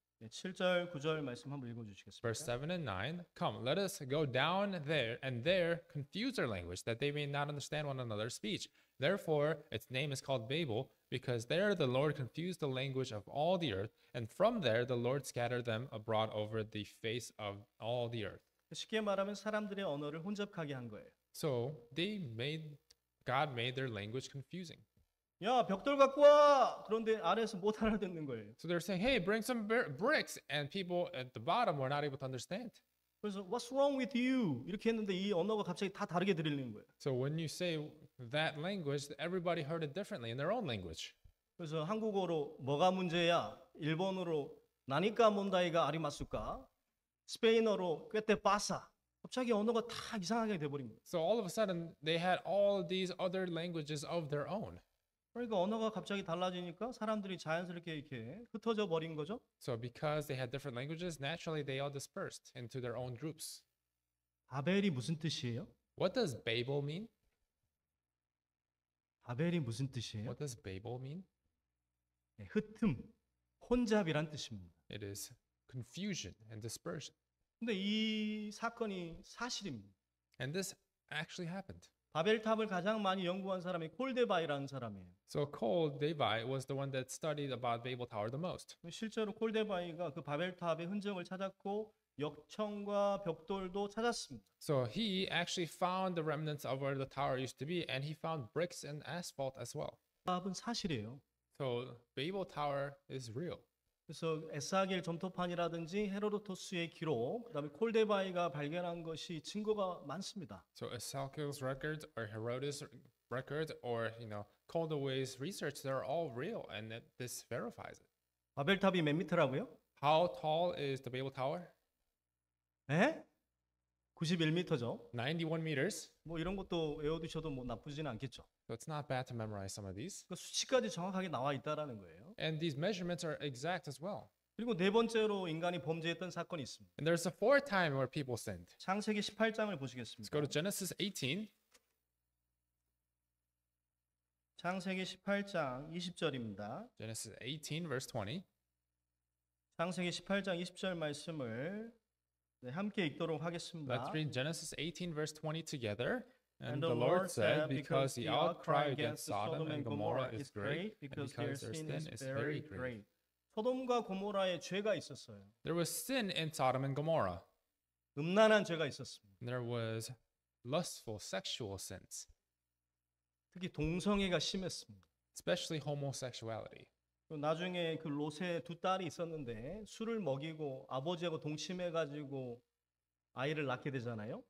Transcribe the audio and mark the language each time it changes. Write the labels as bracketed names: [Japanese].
[Korean] 7절, 9절 말씀 한번 읽어주시겠습니까? [English] Verse 7 and 9, "Come, let us go down there and there confuse their language, that they may not understand one another's speech. Therefore, its name is called Babel, because there the Lord confused the language of all the earth, and from there the Lord scattered them abroad over the face of all the earth." [Korean] 쉽게 말하면 사람들의 언어를 혼잡하게 한 거예요. [English] So, God made their language confusing. [Korean] 야 벽돌 갖고 와. 그런데 아래에서 못 알아듣는 거예요. [English] So they're saying, "Hey, bring some bricks," and people at the bottom were not able to understand. [Korean] 그래서 [English] "What's wrong with you?" [Korean] 이렇게 했는데 이 언어가 갑자기 다 다르게 들리는 거예요. [English] So when you say that language, everybody heard it differently in their own language. [Korean] 그래서 한국어로 뭐가 문제야? 일본어로 [Japanese] 나니까 문다이가 아리마스까? [Korean] 스페인어로 [Spanish] 꽤때 빠사. [Korean] 갑자기 언어가 다 이상하게 돼버린 거예요. [English] So all of a sudden, they had all these other languages of their own. [Korean] 그러니까 언어가 갑자기 달라지니까 사람들이 자연스럽게 이렇게 흩어져 버린 거죠. [English] So because they had different languages, naturally they all dispersed into their own groups. [Korean] 바벨이 무슨 뜻이에요? [English] What does Babel mean? [Korean] 바벨이 무슨 뜻이에요? [English] What does Babel mean? [Korean] 네, 흩음, 혼잡이란 뜻입니다. [English] It is confusion and dispersion. [Korean] 근데 이 사건이 사실입니다. [English] And this actually happened. [Korean] 바벨탑을 가장 많이 연구한 사람이 콜데바이라는 사람이에요. [English] So Koldevi was the one that studied about Babel Tower the most. [Korean] 실제로 콜데바이가 그 바벨탑의 흔적을 찾았고 역청과 벽돌도 찾았습니다. [English] So he actually found the remnants of where the tower used to be and he found bricks and asphalt as well. [Korean] 탑은 사실이에요. [English] So Babel Tower is real. [Korean] 그래서 에스겔 점토판이라든지 헤로도토스의 기록, 그다음에 콜데바이가 발견한 것이 증거가 많습니다. [English] So Ezekiel's records or Herodotus' records or you know Koldewey's research, they're all real and this verifies it. [Korean] 바벨탑이 몇 미터라고요? [English] How tall is the Babel Tower? [Korean] 에? 91m죠. [English] 91m. [Korean] 뭐 이런 것도 외워두셔도 뭐 나쁘지는 않겠죠. [English] So it's not bad to memorize some of these. [Korean] 그러니까 수치까지 정확하게 나와 있다라는 거예요. [English] And these measurements are exact as well. [Korean] 그리고 네 번째로 인간이 범죄했던 사건이 있습니다. [English] And there's a fourth time where people sinned. [Korean] 창세기 18장을 보시겠습니다. [English] Let's go to Genesis 18. [Korean] 창세기 18장 20절입니다. [English] Genesis 18 verse 20. [Korean] 창세기 18장 20절 말씀을 네, 함께 읽도록 하겠습니다. [English] Let's read Genesis 18 verse 20 together. And the Lord said, because the outcry against Sodom and Gomorrah is great, because their sin is very great. [Korean] 소돔과 고모라의 죄가 있었어요. [English] There was sin in Sodom and Gomorrah. [Korean] 음란한 죄가 있었습니다. [English] There was lustful sexual sins. [Korean] 특히 동성애가 심했습니다. [English] Especially homosexuality. [Korean] 나중에 그 롯의 두 딸이 있었는데 술을 먹이고 아버지하고 동침해 가지고 아이를 낳게 되잖아요.